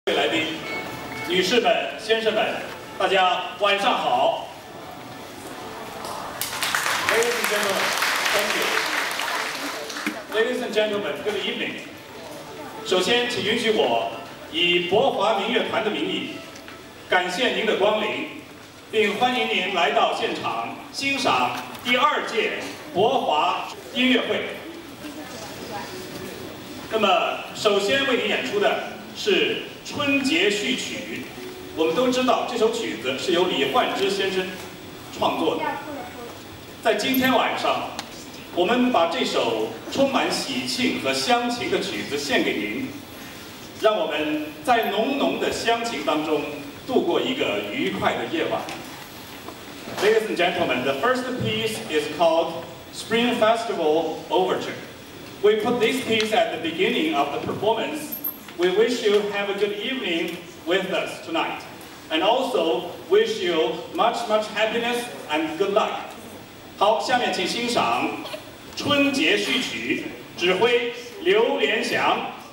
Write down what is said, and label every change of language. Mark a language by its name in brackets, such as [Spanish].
[Chinese] 宾、女士们、先生们，大家晚上好。 [English] Ladies and gentlemen, thank you. Ladies and gentlemen, good evening. [Chinese] 首先，请允许我以博华民乐团的名义，感谢您的光临，并欢迎您来到现场欣赏第二届博华音乐会。那么首先为您演出的是春节序曲，我们都知道这首曲子是由李焕之先生创作的。在今天晚上，我们把这首充满喜庆和乡情的曲子献给您，让我们在浓浓的乡情当中度过一个愉快的夜晚。 [English] Ladies and gentlemen, the first piece is called Spring Festival Overture. We put this piece at the beginning of the performance. We wish you have a good evening with us tonight. And also wish you much, much happiness and good luck. [Chinese] 好，下面请欣赏春节序曲，指挥刘连祥。